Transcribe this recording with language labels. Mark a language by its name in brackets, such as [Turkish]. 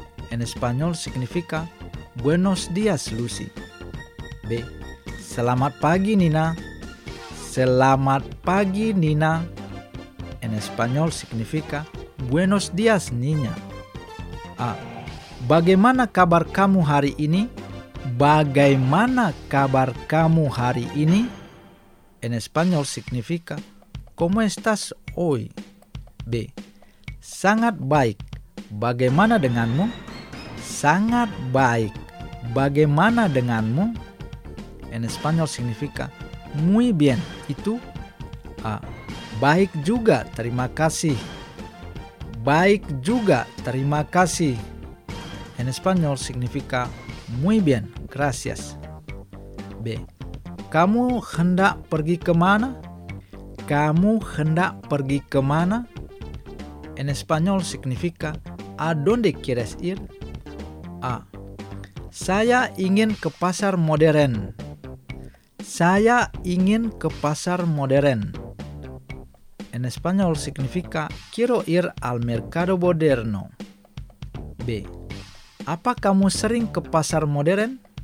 [Spanish] En español significa buenos días, Lucy. B. [Indonesian] Selamat pagi, Nina. Selamat pagi, Nina. [Spanish] En español significa buenos días, niña. A. [Indonesian] Bagaimana kabar kamu hari ini? Bagaimana kabar kamu hari ini? [Spanish] En español significa ¿cómo estás hoy? [Indonesian] B. Sangat baik. Bagaimana denganmu? Sangat baik. Bagaimana denganmu? [Spanish] En español significa muy bien. ¿Y tú? [Indonesian] A. Baik juga, terima kasih. Baik juga, terima kasih. [Spanish] En español significa muy bien, gracias. B. [Indonesian] Kamu hendak pergi ke mana? Kamu hendak pergi ke mana? [Spanish] En español significa ¿a dónde quieres ir? A. [Indonesian] Saya ingin ke pasar modern. Saya ingin ke pasar modern. [Spanish] En español significa quiero ir al mercado moderno. B. [Indonesian] Apa kamu sering ke pasar modern?